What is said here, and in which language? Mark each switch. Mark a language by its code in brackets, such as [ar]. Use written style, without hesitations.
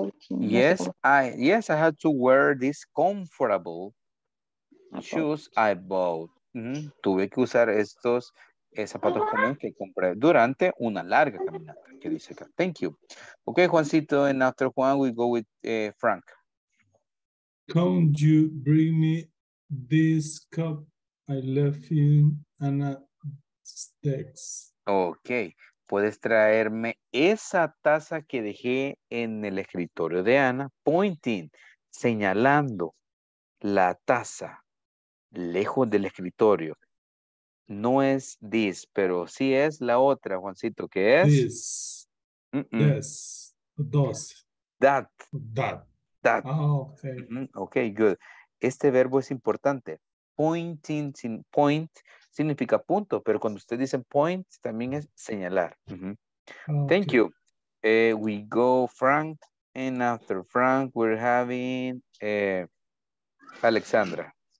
[en] Yes, I had to wear these comfortable shoes I bought. Mm-hmm. [es] Tuve que usar estos zapatos comunes que compré durante una larga caminata, que dice acá. [en] Thank you. Okay, Juancito, and after Juan, we go with Frank. Can't you bring me this cup? I left in Anna Stacks. Okay. [es] Puedes traerme esa taza que dejé en el escritorio de Ana, pointing, señalando la taza lejos del escritorio. No es this, pero sí es la otra, Juancito, ¿qué es? [en] This. Mm-mm. Yes. Dos. That. That. That. Ah, [es] ok. Mm-hmm. [en] Ok, good. [es] Este verbo es importante. Pointing, sin point. Significa punto, pero cuando usted dice point, también es señalar. [en] Mm-hmm. Okay. Thank you. We go Frank, and after Frank, we're having Alexandra.